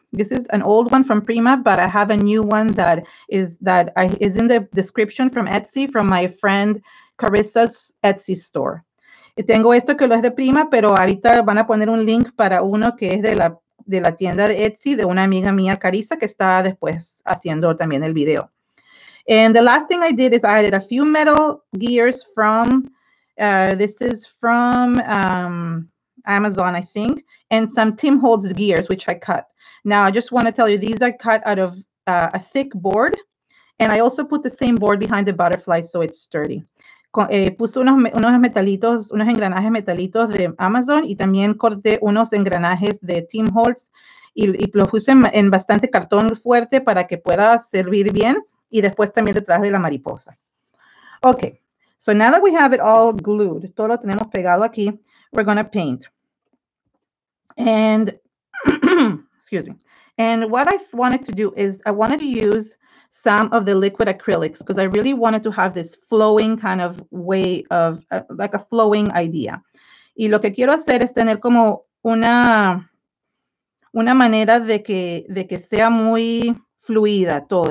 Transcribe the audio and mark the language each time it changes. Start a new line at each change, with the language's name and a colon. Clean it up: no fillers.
English: This is an old one from Prima, but I have a new one that is in the description from Etsy, from my friend Carissa's Etsy store.
Spanish: Y tengo esto que lo es de Prima, pero ahorita van a poner un link para uno que es de la tienda de Etsy, de una amiga mía, Carissa, que está después haciendo también el video.
English: And the last thing I did is I added a few metal gears from, this is from, Amazon, I think, and some Tim Holtz gears, which I cut. Now, I just want to tell you, these are cut out of a thick board, and I also put the same board behind the butterfly, so it's sturdy.
Spanish: Puse unos engranajes metalitos de Amazon, y también corté unos engranajes de Tim Holtz, y lo puse en bastante cartón fuerte para que pueda servir bien, y después también detrás de la mariposa.
English: Okay, so now that we have it all glued,
Spanish: todo lo tenemos pegado aquí,
English: we're going to paint. And excuse me. And what I wanted to do is I wanted to use some of the liquid acrylics because I really wanted to have this flowing kind of way of like a flowing idea.
Spanish: Y lo que quiero hacer es tener como una manera de que sea muy fluida todo.